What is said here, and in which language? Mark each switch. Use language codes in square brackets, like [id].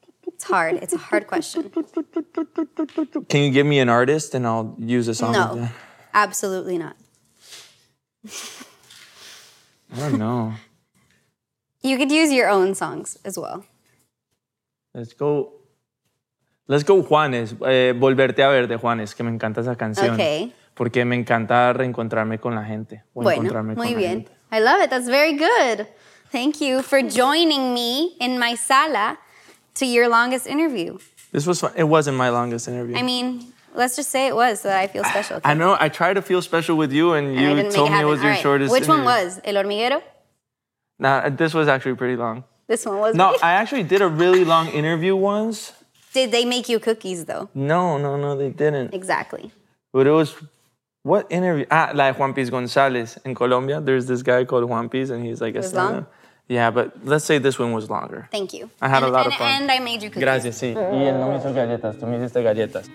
[en] It's hard. It's a hard question. Can you give me an artist and I'll use a song? No, absolutely not. I don't know. You could use your own songs as well. Let's go Juanes. [es] Volverte a ver de Juanes, que me encanta esa canción. [en] Okay. [es] Porque me encanta reencontrarme con la gente. [en] I love it. That's very good. Thank you for joining me in my sala. To your longest interview. This was fun. It wasn't my longest interview. I mean, let's just say it was so that I feel special. I know. I tried to feel special with you and you told me it was your shortest interview. Which one was? El Hormiguero? Nah, this was actually pretty long. This one was? No, I actually did a really long interview once. Did they make you cookies though? No, they didn't. Exactly. But it was, what interview? Ah, like Juan Piz González in Colombia. There's this guy called Juan Piz and he's like a stunner. Yeah, but let's say this one was longer. Thank you. I had a lot of fun. And I made you cookies. [es] Gracias, sí. Y él no me hizo galletas, tú me hiciste galletas.